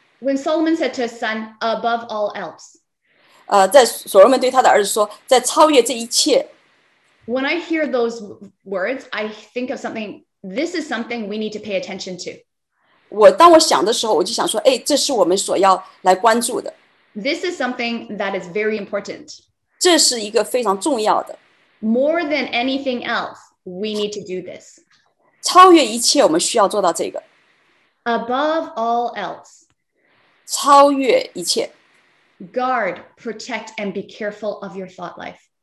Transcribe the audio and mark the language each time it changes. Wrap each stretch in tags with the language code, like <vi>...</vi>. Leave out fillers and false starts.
<en>When Solomon said to his son, above all else,</en> <zh>在所罗门对他的儿子说，在超越这一切。</zh> <en>When I hear those words, I think of something, this is something we need to pay attention to.</en> <zh>当我想的时候，我就想说，哎，这是我们所要来关注的。</zh> <en>This is something that is very important.</en> <zh>这是一个非常重要的。</zh> <en>More than anything else, we need to do this.</en> <zh>超越一切，我们需要做到这个。</zh> <en>Above all else.</en> <zh>超越一切。</zh> <en>Guard, protect, and be careful of your thought life.</en>